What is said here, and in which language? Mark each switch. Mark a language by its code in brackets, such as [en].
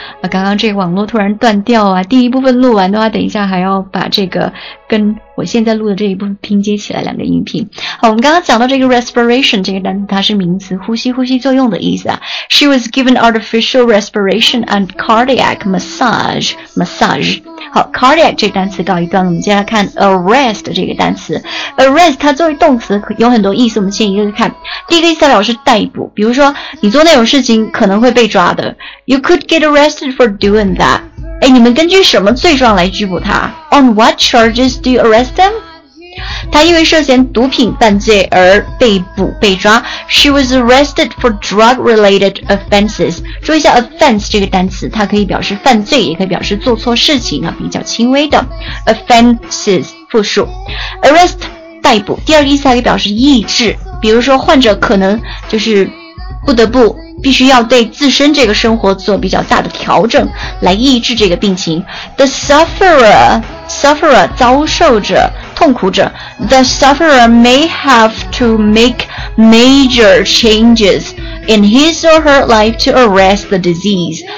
[zh] 刚刚这个网络突然断掉啊，第一部分录完的话，等一下还要把这个跟我现在录的这一部分拼接起来，两个音频。好，我们刚刚讲到这个 respiration 这个单词，它是名词，呼吸作用的意思啊。 [en] She was given artificial respiration and cardiac massage。 [zh] 好， cardiac 这个单词告一段，我们接下来看 arrest 这个单词。 arrest 它作为动词有很多意思，我们先一个看。第一个意思代表是逮捕，比如说你做那种事情可能会被抓的， [en] You could get arrested for doing that。 [zh] 诶，你们根据什么罪状来拘捕他？ [en] On what charges do you arrest them？ [zh] 他因为涉嫌毒品犯罪而被捕被抓， [en] She was arrested for drug related offenses。 [zh] 注意一下 offense 这个单词，它可以表示犯罪，也可以表示做错事情啊，比较轻微的 offenses 复数。 arrest 逮捕。第二个意思还可以表示抑制，比如说患者可能就是不得不必须要对自身这个生活做比较大的调整来抑制这个病情。 The sufferer 遭受者，痛苦者。 [en] The sufferer may have to make major changes in his or her life to arrest the disease。